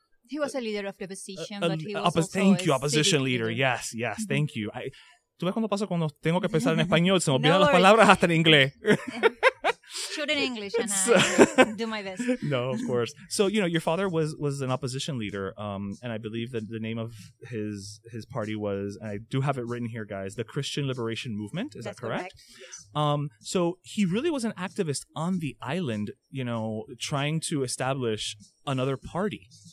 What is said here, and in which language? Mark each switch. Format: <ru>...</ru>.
<en>he was a leader of the opposition, opposition leader. Leader. Yes, mm-hmm. Thank you.</en> <es>¿Tú ves cuando pasa cuando tengo que pensar en español? Se me olvidan las palabras hasta en inglés.</es> <en>Shoot in English and I do my best. No, of course. So, you know, your father was an opposition leader, and I believe that the name of his party was, and I do have it written here, guys, the Christian Liberation Movement. Is that correct? Correct. Yes. So he really was an activist on the island, you know, trying to establish another party.</en>